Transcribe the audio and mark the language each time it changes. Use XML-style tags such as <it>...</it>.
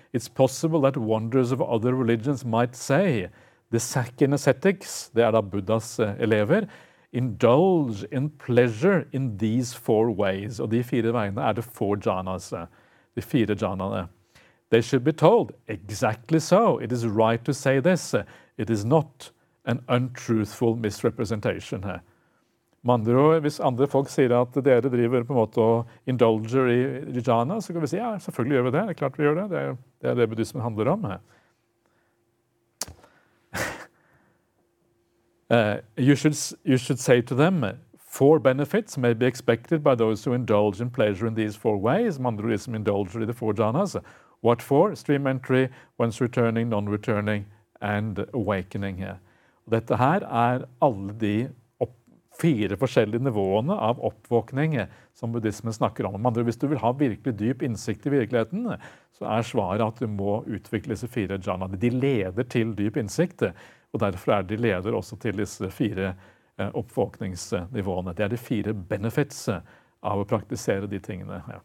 <en>It's possible that wonders of other religions might say the Sakyan ascetics,</en> <no>det da Buddhas elever,</no> <en>indulge in pleasure in these four ways.</en> <no>Og de fire veiene det four jhanas, de fire jhanene.</no> <en>They should be told, exactly so, it is right to say this, it is not an untruthful misrepresentation.</en> <no>Andre, hvis andre folk sier at dere driver på en måte og indulger i jhana, så kan vi si, ja, selvfølgelig gjør vi det, det klart vi gjør det, det det buddhismen handler om.</no> <en>You should say to them, four benefits may be expected by those who indulge in pleasure in these four ways,</en> <no>andre som indulger i de four jhanas.</no> <en>What for? Stream entry, once returning, non-returning, and awakening.</en> <no>Dette her alle de fire forskjellige nivåene av oppvåkning som buddhismen snakker om. Men hvis du vil ha virkelig dyp innsikt i virkeligheten, så svaret at du må utvikle disse fire jhanaene. De leder til dyp innsikt, og derfor de leder også til disse fire oppvåkningsnivåene. Det de fire benefits av å praktisere de tingene.</no>